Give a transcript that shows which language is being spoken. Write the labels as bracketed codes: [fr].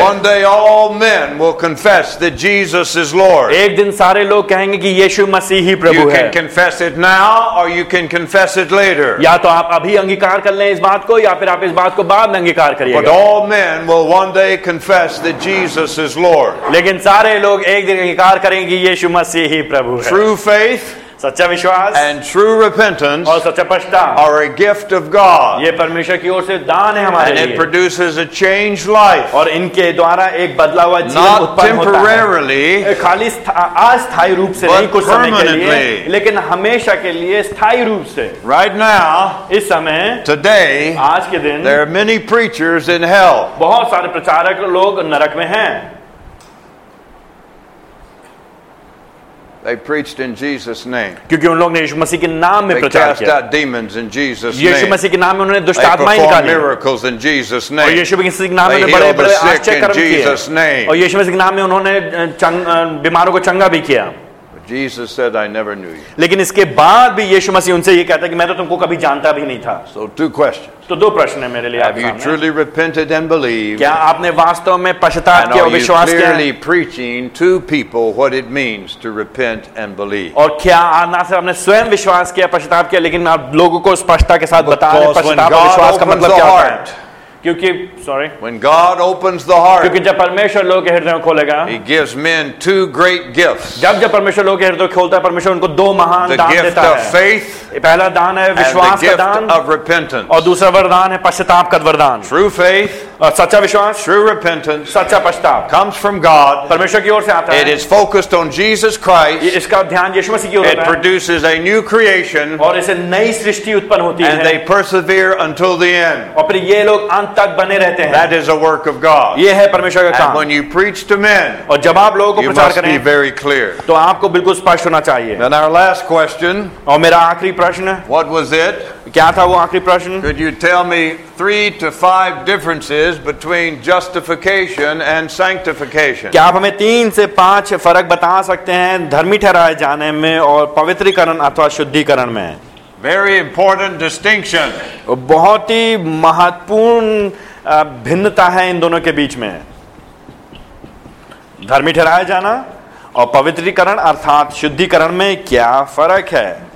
[en] One day all men will confess that Jesus is Lord. [hi] एक दिन सारे लोग कहेंगे कि यीशु मसीह ही प्रभु है. [en] You can confess it now or you can confess it later. [hi] या तो आप अभी अंगीकार कर लें इस बात को या फिर आप इस बात को बाद में अंगीकार करिएगा. [en] But all men will one day confess that Jesus is Lord. [hi] लेकिन सारे लोग एक दिन अंगीकार करेंगे कि यीशु मसीह ही प्रभु है. [en] True faith, [hi] सच्चा विश्वास, [en] and true repentance, [hi] और सच्चा पश्चाताप, [en] are a gift of God. [hi] ये परमेश्वर की ओर से दान है हमारे लिए. [en] And it produces a changed life. [hi] और इनके द्वारा एक बदला हुआ जीवन उत्पन्न होता है. [en] Not temporarily, [hi] खाली अस्थायी रूप से नहीं, कुछ समय के लिए, लेकिन हमेशा के लिए स्थायी रूप से. [en] Right now, [hi] इस समय, [en] today, [hi] आज के दिन, [en] there are many preachers in hell. [hi] बहुत सारे प्रचारक लोग नरक में हैं. [en] They preached in Jesus' name. [hi] क्योंकि उन लोग ने यीशु मसीह के नाम में प्रचार किया. [en] They cast out demons in Jesus' name. [hi] यीशु मसीह के नाम में उन्होंने दुष्ट आत्माएं निकाली. [en] They performed miracles in Jesus' name. [hi] और यीशु मसीह के नाम में बड़े बड़े आश्चर्य कर्म किए. और यीशु मसीह के नाम में उन्होंने बीमारों को चंगा भी किया. [en] Jesus said, "I never knew you." [hi] लेकिन इसके बाद भी यीशु मसीह उनसे ये कहता है कि मैं तो तुमको कभी जानता भी नहीं था. [en] So two questions. [hi] तो दो प्रश्न हैं मेरे लिए आपके सामने. [en] Have you truly repented and believed? [hi] क्या आपने वास्तव में पश्चाताप किया और विश्वास किया? [en] And are you clearly preaching to people what it means to repent and believe? [hi] और क्या ना सिर्फ आपने स्वयं विश्वास किया, पश्चाताप किया, लेकिन आप लोगों को स्पष्टता के साथ बता रहे हैं पश्चाताप और विश्वास का मतलब क्या है? [en] When God opens the heart, [hi] क्योंकि जब परमेश्वर लोगों के हृदयों को खोलेगा, [en] He gives men two great gifts. [hi] जब जब परमेश्वर लोगों के हृदयों को खोलता है, परमेश्वर उनको दो महान दान देता है. [en] The gift of faith, [hi] पहला दान है विश्वास का दान, [en] and the gift of repentance, [hi] और दूसरा वरदान है पश्चाताप का वरदान. [en] True faith, [hi] सच्चा विश्वास, [en] true repentance, [hi] सच्चा पश्चाताप, [en] comes from God, [hi] परमेश्वर की ओर से आता है. [en] It is focused on Jesus Christ, [hi] इसका ध्यान यीशु मसीह की ओर होता [en] है. It produces a new creation, [hi] और इसे नई सृष्टि उत्पन्न होती है. [en] And they persevere until the end, [hi] और फिर ये लोग अंत तक बने रहते हैं. [en] That is a work of God. [hi] ये है परमेश्वर का काम. [en] And when you preach to men, [hi] और जब आप लोगों को प्रचार करें, [en] you must be very clear, [hi] तो आपको बिल्कुल स्पष्ट होना चाहिए. [en] Then our last question, [hi] और मेरा आखिरी प्रश्न, [en] what was it? [hi] क्या था वो आखिरी प्रश्न? [en] Could you tell me 3 to 5 differences between justification and sanctification? [hi] क्या आप हमें 3 से 5 फर्क बता सकते हैं धर्मी ठहराए जाने में और पवित्रीकरण अथवा शुद्धिकरण में? [en] Very important distinction. [hi] बहुत ही महत्वपूर्ण भिन्नता है इन दोनों के बीच में, धर्मी ठहराए जाना और पवित्रीकरण अर्थात शुद्धिकरण में क्या फर्क है?